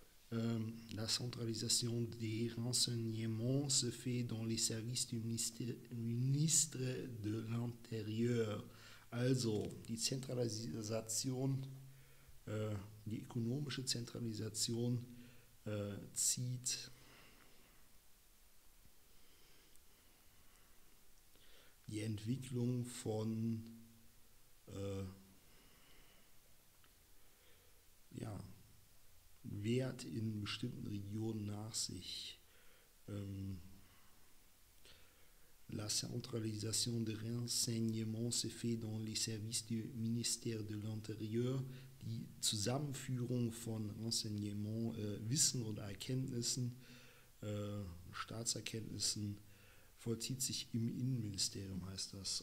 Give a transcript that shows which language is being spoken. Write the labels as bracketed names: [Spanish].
[French] La centralisation des renseignements se fait dans les services du ministre de l'Intérieur. [German] Also, die Zentralisation, die ökonomische Zentralisation zieht die Entwicklung von Wert in bestimmten Regionen nach sich. [French] La centralisation des renseignements se fait dans les services du ministère de l'Intérieur. [German] Die Zusammenführung von Renseignement, Wissen oder Erkenntnissen, Staatserkenntnissen, vollzieht sich im Innenministerium, heißt das.